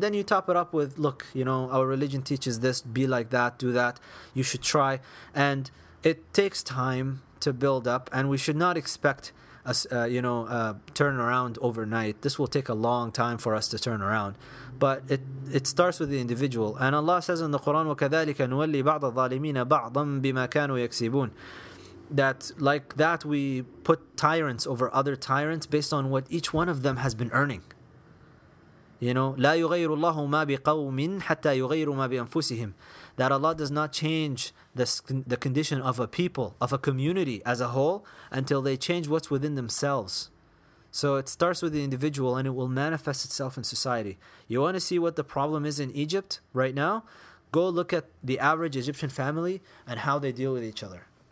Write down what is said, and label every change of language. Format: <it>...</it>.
<en>Then you top it up with, look, you know, our religion teaches this, be like that, do that, you should try. And it takes time to build up, and we should not expect a turnaround overnight. This will take a long time for us to turn around. But it starts with the individual. And Allah says in the Quran,</en> <ar>وَكَذَلِكَ نُوَلِّي بَعْضَ الظَّالِمِينَ بَعْضًا بِمَا كَانُوا يَكْسِبُونَ.</ar> <en>That like that we put tyrants over other tyrants based on what each one of them has been earning. You know,</en> <ar>لا يغير الله ما بقوم حتى يغيروا ما بأنفسهم.</ar> <en>That Allah does not change the condition of a people, of a community as a whole, until they change what's within themselves. So it starts with the individual, and it will manifest itself in society. You want to see what the problem is in Egypt right now? Go look at the average Egyptian family and how they deal with each other.</en>